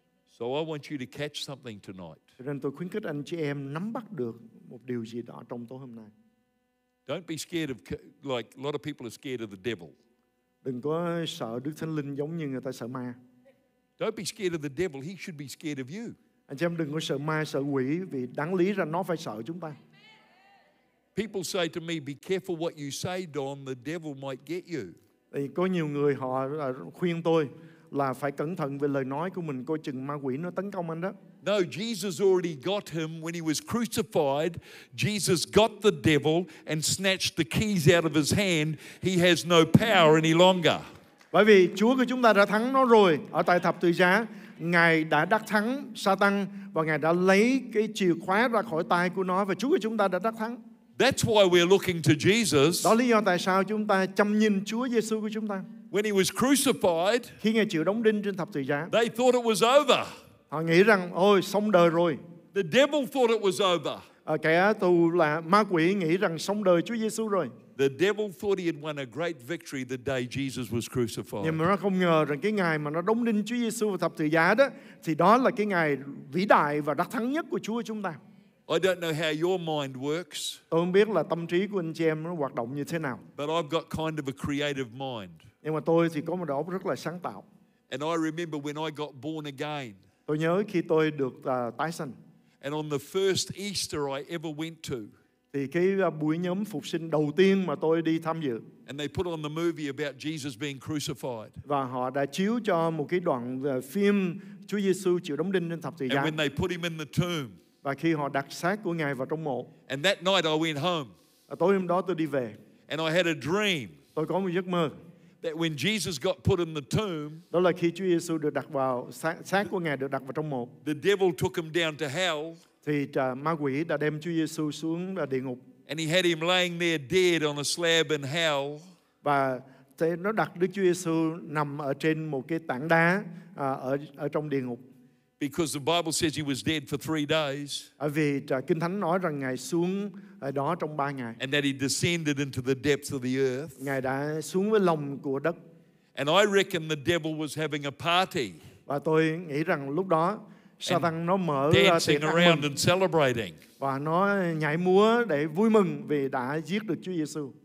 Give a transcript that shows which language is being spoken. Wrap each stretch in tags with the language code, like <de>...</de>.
<en>So I want you to catch something tonight.</en> <vi>Cho nên tôi khuyến khích anh chị em nắm bắt được một điều gì đó trong tối hôm nay.</vi> <en>Don't be scared of like a lot of people are scared of the devil.</en> <vi>Đừng có sợ Đức Thánh Linh giống như người ta sợ ma.</vi> <en>Don't be scared of the devil. He should be scared of you.</en> <vi>Anh chị em đừng có sợ ma, sợ quỷ vì đáng lý ra nó phải sợ chúng ta.</vi> <en>People say to me, "Be careful what you say, Don. The devil might get you."</en> <vi>Thì có nhiều người họ khuyên tôi là phải cẩn thận về lời nói của mình, coi chừng ma quỷ nó tấn công anh đó.</vi> <en>No, Jesus already got him when he was crucified. Jesus got the devil and snatched the keys out of his hand. He has no power any longer.</en> <vi>Bởi vì Chúa của chúng ta đã thắng nó rồi. Ở tại thập tự giá, Ngài đã đắc thắng Satan và Ngài đã lấy cái chìa khóa ra khỏi tay của nó, và Chúa của chúng ta đã đắc thắng.</vi> <en>That's why we're looking to Jesus.</en> <vi>Đó lý do tại sao chúng ta chăm nhìn Chúa Giêsu của chúng ta.</vi> <en>When he was crucified,</en> <vi>khi Ngài chịu đóng đinh trên thập tự giá,</vi> <en>they thought it was over.</en> <vi>Họ nghĩ rằng, ôi, xong đời rồi.</vi> <en>The devil thought it was over.</en> <vi>Kẻ thù là ma quỷ nghĩ rằng xong đời Chúa Giêsu rồi.</vi> <en>The devil thought he had won a great victory the day Jesus was crucified.</en> <vi>Nhưng mà không ngờ rằng cái ngày mà nó đóng đinh Chúa Giêsu vào thập tự giá đó, thì đó là cái ngày vĩ đại và đắc thắng nhất của Chúa chúng ta.</vi> <en>I don't know how your mind works.</en> <vi>Tôi không biết là tâm trí của anh chị em nó hoạt động như thế nào.</vi> <en>But I've got kind of a creative mind.</en> <vi>Nhưng mà tôi thì có một óc rất là sáng tạo.</vi> <en>And I remember when I got born again.</en> <vi>Tôi nhớ khi tôi được tái sinh.</vi> <en>And on the first Easter I ever went to.</en> <vi>Thì cái buổi nhóm phục sinh đầu tiên mà tôi đi tham dự.</vi> <en>And they put on the movie about Jesus being crucified.</en> <vi>Và họ đã chiếu cho một cái đoạn phim Chúa Giêsu chịu đóng đinh trên thập tự giá.</vi> <en>And when they put him in the tomb.</en> <vi>Và khi họ đặt xác của Ngài vào trong mộ.</vi> <en>And that night I went home.</en> <vi>Tối hôm đó tôi đi về.</vi> <en>And I had a dream.</en> <vi>Tôi có một giấc mơ.</vi> <en>That when Jesus got put in the tomb.</en> <vi>Đó là khi Chúa Giêsu được đặt vào xác của Ngài được đặt vào trong mộ.</vi> <en>The devil took him down to hell.</en> <vi>Thì ma quỷ đã đem Chúa Giêsu xuống địa ngục.</vi> <en>And he had him laying there dead on a slab in hell.</en> <vi>Và nó đặt Đức Chúa Giêsu nằm ở trên một cái tảng đá ở trong địa ngục.</vi> <en>Because the Bible says he was dead for 3 days.</en> <vi>Vì Kinh Thánh nói rằng Ngài xuống đó trong 3 ngày.</vi> <en>And that he descended into the depths of the earth.</en> <vi>Ngài đã xuống với lòng của đất.</vi> <en>And I reckon the devil was having a party.</en> <vi>Và tôi nghĩ rằng lúc đó Satan nó mở</vi> <en>dancing around and celebrating.</en> <vi>Và nó nhảy múa để vui mừng vì đã giết được Chúa Giêsu.</vi>